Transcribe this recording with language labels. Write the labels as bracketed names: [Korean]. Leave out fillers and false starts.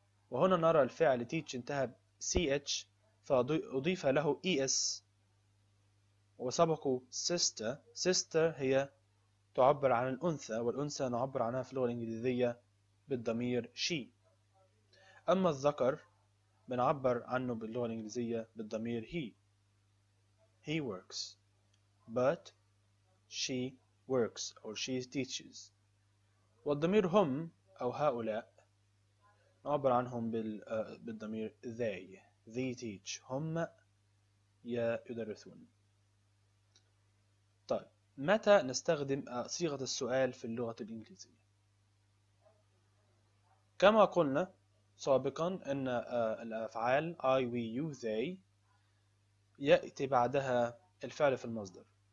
[Arabic] وهنا نرى الفعل teach انتهى ب ch فأضيف له es وسبقه sister. Sister هي تعبر عن الأنثى، والأنثى نعبر عنها في اللغة الإنجليزية بالضمير she. أما الذكر بنعبر عنه باللغة الإنجليزية بالضمير he. [English] He works but she works or she teaches. [Arabic] والضمير هم أو هؤلاء نعبر عنهم بالضمير they. [English] They teach. [Arabic] هم يدرسون. طيب، متى نستخدم صيغة السؤال في اللغة الإنجليزية؟ كما قلنا سابقا أن الأفعال I, we, you, they يأتي بعدها الفعل في المصدر.